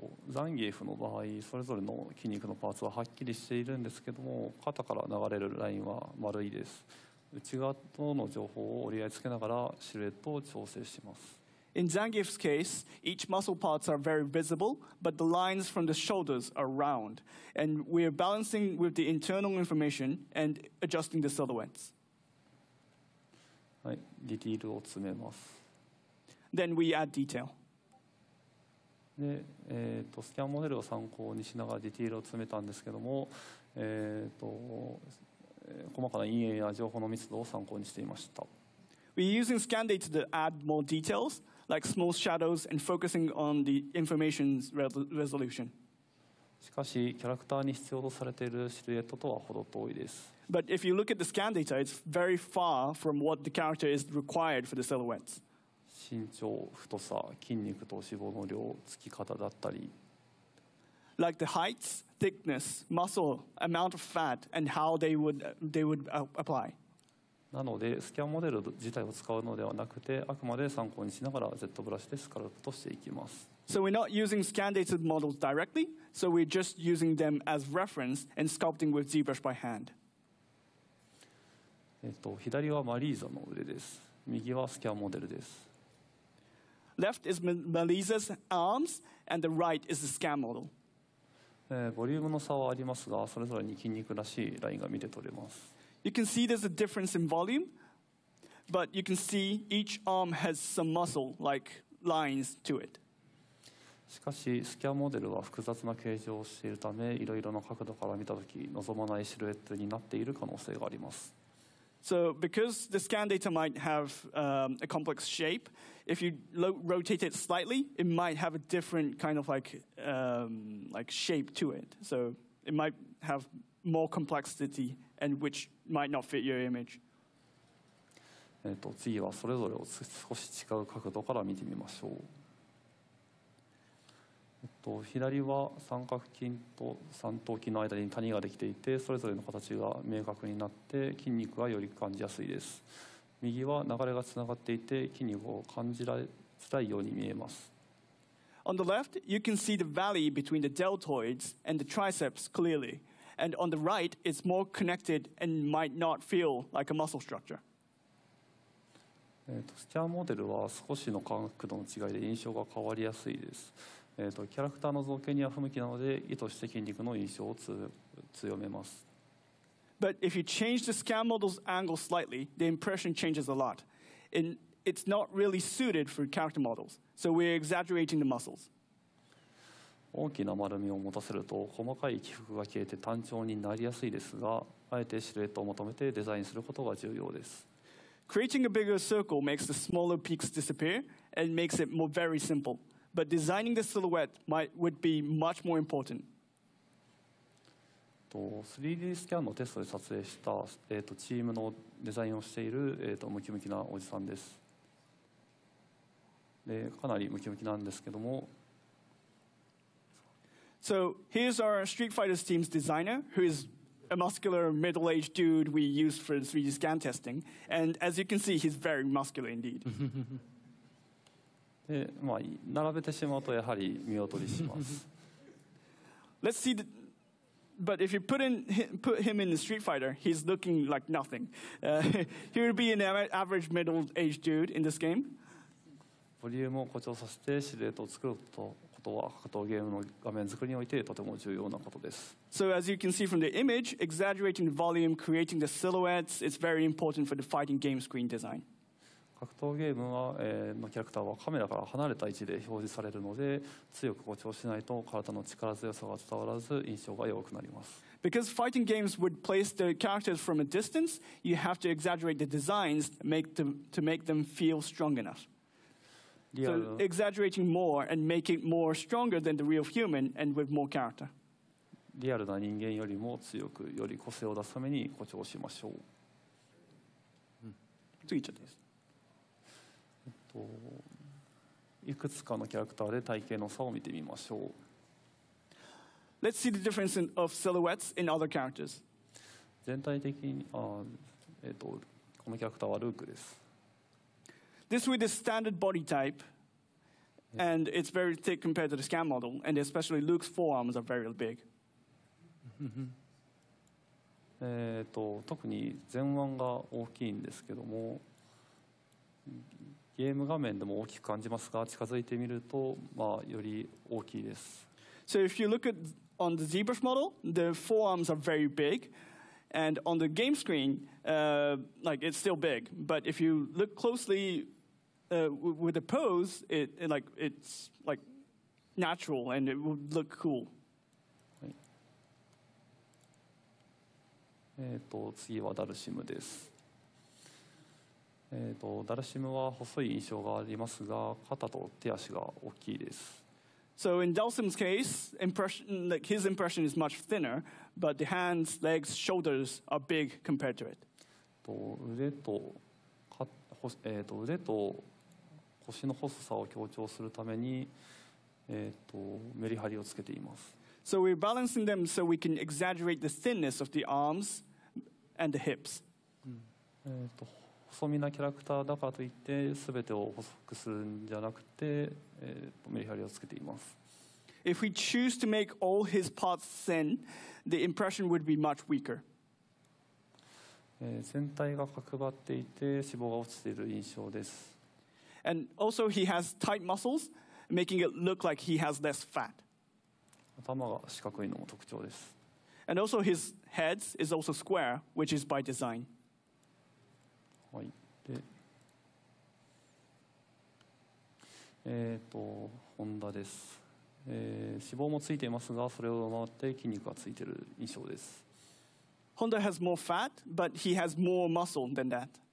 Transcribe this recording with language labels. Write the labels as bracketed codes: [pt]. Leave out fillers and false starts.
[ja] ザンギエフの場合それぞれの筋肉のパーツははっきりしているんですけども、肩から流れるラインは丸いです。内側との情報を折り合いつけながらシルエットを調整します。 [en] In Zangief's case, each muscle parts are very visible, but the lines from the shoulders are round, and we are balancing with the internal information and adjusting the silhouettes. [ja] はい、ディティールを詰めます。 [en] Then we add detail. [ja] で、スキャンモデルを参考にしながらディティールを詰めたんですけども、細かな陰影や情報の密度を参考にしていました。 [en] We're using scan data to add more details, like small shadows and focusing on the information resolution. [ja] しかし、キャラクターに必要とされているシルエットとは程遠いです。 [en] But if you look at the scan data, it's very far from what the character is required for the silhouettes. [ja] 身長、太さ、筋肉と脂肪の量、つき方だったり、 [en] like the heights, thickness, muscle, amount of fat, and how they would apply. [ja] なのでスキャンモデル自体を使うのではなくて、あくまで参考にしながら ZBrush でスカルプトしていきます。 [en] So we're not using scan data models directly, so we're just using them as reference and sculpting with ZBrush by hand. [ja] 左はマリーザの腕です。右はスキャンモデルです。 [en] Left is Melisa's arms, and the right is the scan model. [ja] ボリュームの差はありますが、それぞれに筋肉らしいラインが見て取れます。 [en] You can see there's a difference in volume, but you can see each arm has some muscle-like lines to it. [ja] しかし、スキャンモデルは複雑な形状をしているため、いろいろな角度から見たとき、望まないシルエットになっている可能性があります。 [en] So because the scan data might have a complex shape, if you rotate it slightly, it might have a different kind of like shape to it. So it might have more complexity and which might not fit your image. [ja] 次はそれぞれを少し違う角度から見てみましょう。左は三角筋と三頭筋の間に谷ができていて、それぞれの形が明確になって筋肉がより感じやすいです。右は流れがつながっていて筋肉を感じづらいように見えます。 [en] On the left, you can see the valley between the deltoids and the triceps clearly. And on the right, it's more connected and might not feel like a muscle structure. [ja] スキャンモデルは少しの角度の違いで印象が変わりやすいです。キャラクターの造形には不向きなので、意図して筋肉の印象を強めます。 [en] But if you change the scan model's angle slightly, the impression changes a lot. And it's not really suited for character models, so we're exaggerating the muscles. [ja] 大きな丸みを持たせると、細かい起伏が消えて単調になりやすいですが、あえてシルエットを求めてデザインすることが重要です。 [en] Creating a bigger circle makes the smaller peaks disappear and makes it more very simple. But designing the silhouette would be much more important. [ja] 3D スキャンのテストで撮影したチームのデザインをしているムキムキなおじさんです。かなりムキムキなんですけども。 [en] So here's our Street Fighter's team's designer, who is a muscular middle-aged dude we used for 3D scan testing. And as you can see, he's very muscular indeed. [ja] でまあ、並べてしまうとやはり見劣りします。 [en] Let's see, but if you put him in the Street Fighter, he's looking like nothing. He would be an average middle-aged dude in this game. [ja] ボリュームを誇張させてシルエットを作ることは格闘ゲームの画面作りにおいてとても重要なことです。 [en] So as you can see from the image, exaggerating the volume, creating the silhouettes, it's very important for the fighting game screen design. [ja] 格闘ゲームは、のキャラクターはカメラから離れた位置で表示されるので、強く誇張しないと体の力強さが伝わらず印象が弱くなります。 [en] Because fighting games would place the characters from a distance, you have to exaggerate the designs to make them feel strong enough. So exaggerating more and make it more stronger than the real human and with more character. [ja] リアルな人間よりも強く、より個性を出すために誇張しましょう。次いっちゃっていいです。いくつかのキャラクターで体型の差を見てみましょう。 [en] Let's see the difference of silhouettes in other characters. [ja] 全体的に、このキャラクターはルークです。 [en] This with the standard body type, and it's very thick compared to the scan model, and especially Luke's forearms are very big. [ja] 特に前腕が大きいんですけども。ゲーム画面でも大きく感じますが、近づいてみると、まあ、より大きいです。 [en] So if you look at on the ZBrush model, the forearms are very big, and on the game screen, like it's still big. But if you look closely, with the pose, it's like natural and it would look cool. [ja] はい、次はダルシムです。ダルシムは細い印象がありますが、肩と手足が大きいです。 [en] So in Dalsim's case, his impression is much thinner, but the hands, legs, shoulders are big compared to it. [ja] 腕と腰の細さを強調するために、メリハリをつけています。 [en] So we're balancing them so we can exaggerate the thinness of the arms and the hips. [ja] 細身なキャラクターだからといって全てを細くするんじゃなくて、メリハリをつけています。 [en] If we choose to make all his parts thin, the impression would be much weaker. [ja] 全体が角張っていて脂肪が落ちている印象です。 [en] And also he has tight muscles making it look like he has less fat. [ja] 頭が四角いのも特徴です。 [en] And also his head is also square, which is by design. [ja] はい、で、ホンダです、脂肪もついていますがそれを上回って筋肉がついている印象です。 [en] Honda has more fat, but he has more muscle than that.